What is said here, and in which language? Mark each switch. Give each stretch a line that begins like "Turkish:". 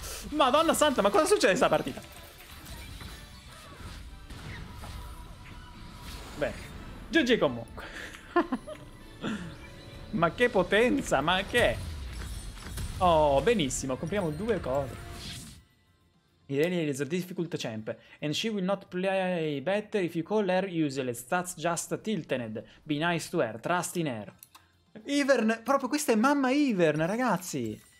Italian: Madonna santa, ma cosa succede in sta partita? Beh, GG comunque. Ma che potenza, ma che è? Oh, benissimo, compriamo due cose.
English: Irene is a difficult champ, and she will not play better if you call her useless. That's just tilted. Be nice to her, trust in her.
Italian: Ivern, proprio questa è mamma Ivern, ragazzi.